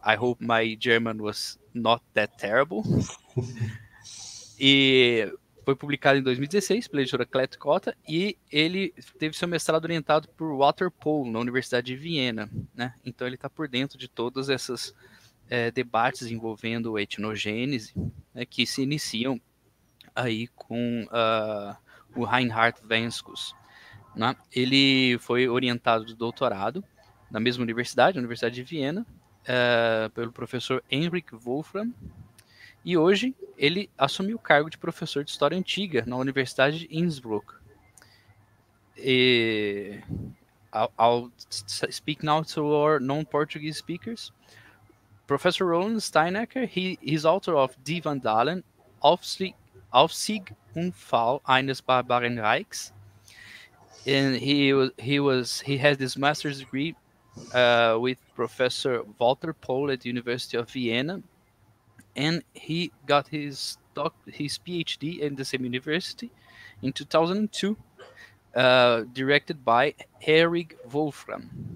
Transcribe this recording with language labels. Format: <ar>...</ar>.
<en>I hope my German was not that terrible.</en> <pt>E foi publicado em 2016 pela editora Klett-Cotta, e ele teve seu mestrado orientado por Waterpolo, na Universidade de Viena, né? Então ele está por dentro de todos esses debates envolvendo etnogênese, né, que se iniciam aí com o Reinhard Venskus, né? Ele foi orientado do doutorado na mesma universidade, na Universidade de Viena, pelo professor Heinrich Wolfram, e hoje ele assumiu o cargo de professor de História Antiga na Universidade de Innsbruck.</pt> <en>E I'll speak now to our non-Portuguese speakers. Professor Roland Steinacher, he is author of Die Vandalen, Aufstieg und Fall eines barbaren Reichs, and he has this master's degree with Professor Walter Pohl at the University of Vienna, and he got his PhD in the same university in 2002, directed by Heinrich Wolfram.</en>